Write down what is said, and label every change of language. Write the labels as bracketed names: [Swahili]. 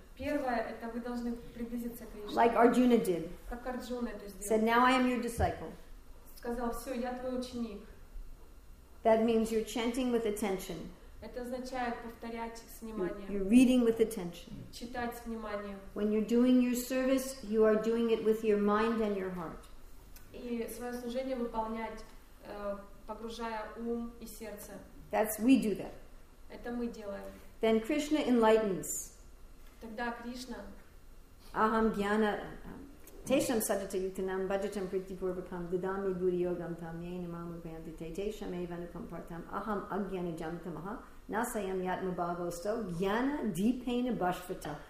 [Russian] Первое, это вы должны приблизиться к Кришне. [English] Like Arjuna did. [Russian] Как Арджуна это сделал. [English] Said, now I am your disciple. [Russian] Сказал, все, я твой ученик. [English] That means you're chanting with attention. [Russian] Это означает повторять с вниманием. [English] You're reading with attention. [Russian] Читать с вниманием. [English] When you're doing your service, you are doing it with your mind and your heart. [Russian] И свое служение выполнять, погружая ум и сердце. [English] That's we do that. [Russian] Это мы делаем. [English] Then Krishna enlightens. [Russian] Тогда Кришна. [Sanskrit] Aham jnana tesham sadhita yuktanam bhajatam priti purvakam didami buddhi yogam tam yen imam upayanti te tesham eva nukam partam aham agyana jantamaha nasayam yatma bhavosto jnana dipena bashvata.